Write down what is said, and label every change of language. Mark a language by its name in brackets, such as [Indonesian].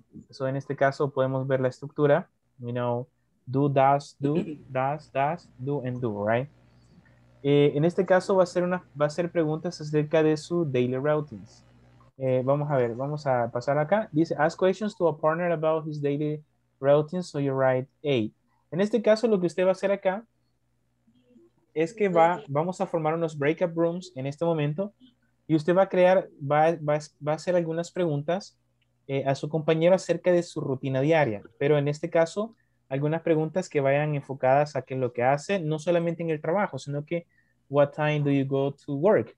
[Spanish] So en este caso podemos ver la estructura. [English] You know, do, does, do, and do, right? [Spanish] En este caso va a ser preguntas acerca de su daily routines. Vamos a ver, vamos a pasar acá. [English] Dice, ask questions to a partner about his daily routines, so you write 8. [Spanish] En este caso lo que usted va a hacer acá es que vamos a formar unos breakup rooms en este momento y usted va a crear, va a hacer algunas preguntas a su compañero acerca de su rutina diaria. Pero en este caso, algunas preguntas que vayan enfocadas a qué es lo que hace, no solamente en el trabajo, sino que [English] what time do you go to work?